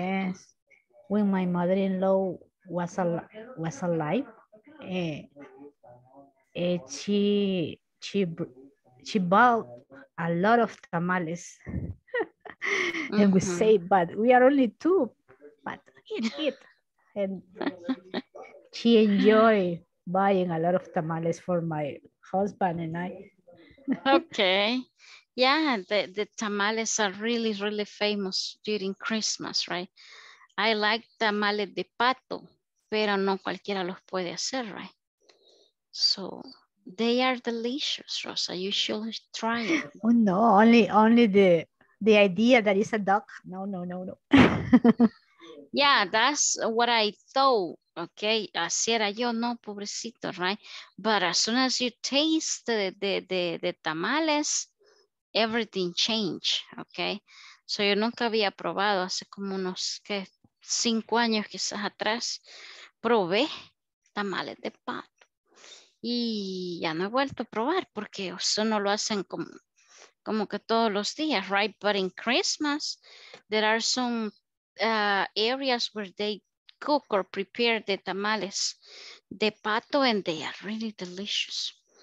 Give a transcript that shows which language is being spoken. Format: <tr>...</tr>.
<en>Yes, when my mother-in-law was alive, she bought a lot of tamales and we say, but we are only two, but eat. And she enjoy buying a lot of tamales for my husband and I. Okay, yeah, the tamales are really really famous during Christmas, right? I like</en> <es>tamales de pato, pero no cualquiera los puede hacer, right?</es> <en>So they are delicious, Rosa. You should try it. Oh no, only the idea that it's a duck. No, no, no, no. Yeah, that's what I thought. Okay.</en> <es>Así era yo, no, pobrecito,</es> <en>right? But as soon as you taste the tamales, everything changed. Okay.</en> <es>So yo nunca había probado hace como unos que 5 años quizás atrás. Probé tamales de pato. Y ya no he vuelto a probar porque eso no lo hacen como que todos los días, right?</es> <en>But in Christmas, there are some areas where they cook or prepare the tamales de pato and they are really delicious.</en>